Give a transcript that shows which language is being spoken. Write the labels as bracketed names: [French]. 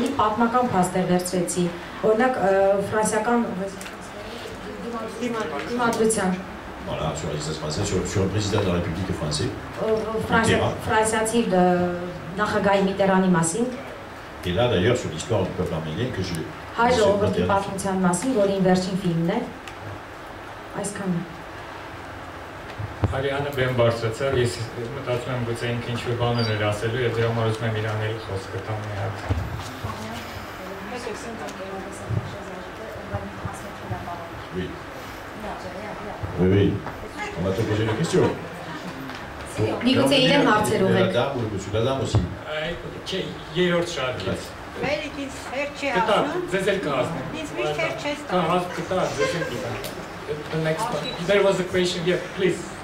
[French] Voilà, sur la résistance française, sur le président de la République française. Et là d'ailleurs, sur l'histoire du peuple arménien que je. [Armenian] Հայ ժողովրդի պատմության մասին, որ իմ վերջին ֆիլմն է։ Այսքանը։ Հարիանը բեմ բարձրացավ, ես մտածում եմ, գուցե ինքը ինչ-որ բան ուներ ասելու, եթե համար ուզում եմ իրան էլ խոսքը տամ մի հատ։ Միգուցե իրեն հարցեր ուղեք։ Չէ, երրորդ շարքից։ [English] There was a question here, please.